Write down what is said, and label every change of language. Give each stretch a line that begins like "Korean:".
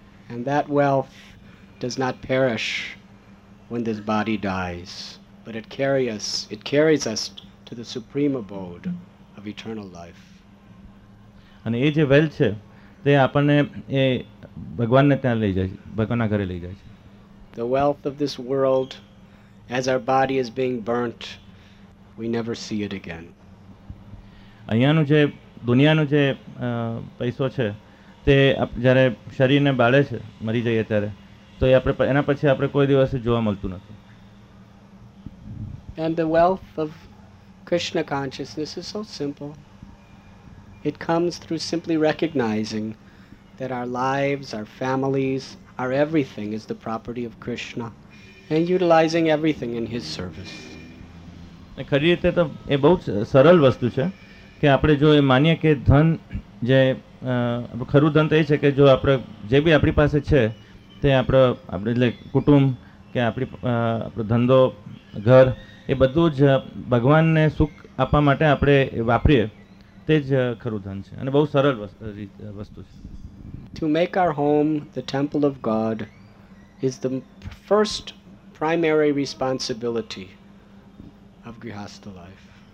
English: And that wealth does not perish when this body dies, but it carries us to the supreme abode of eternal life.
Gujarati: અને એ જે wealth છે તે આપણને એ ભગવાનને ત્યાં લઈ જાય છે, ભગવાનના ઘરે લઈ જાય છે.
English: The wealth of this world, as our body is being burnt, we never see it again.
Gujarati: અહીંયાનું જે દુનિયાનું જે પૈસો છે તે જ્યારે શરીરને બાળે છે મરી જઈએ ત્યારે, તો એ આપણે એના પછી આપણે કોઈ દિવસ જોવા મળતું નથી.
English: And the wealth of Krishna consciousness is so simple. It comes through simply recognizing that our lives, our families, our everything is the property of Krishna and utilizing everything in his service.
Gujarati: ને ખરી રીતે તો એ બહુ જ સરળ વસ્તુ છે કે આપણે જો એ માનીએ કે ધન જે ખરું ધન તો એ છે કે જો આપણે જે બી આપણી પાસે છે તે આપણે એટલે કુટુંબ કે આપણી આપણો ધંધો ઘર એ બધું જ ભગવાનને સુખ આપવા માટે આપણે વાપરીએ તે જ ખરું ધન છે અને બહુ સરળ વસ્તુ છે.
English: To make our home the temple of God is the first primary responsibility of grihastha life.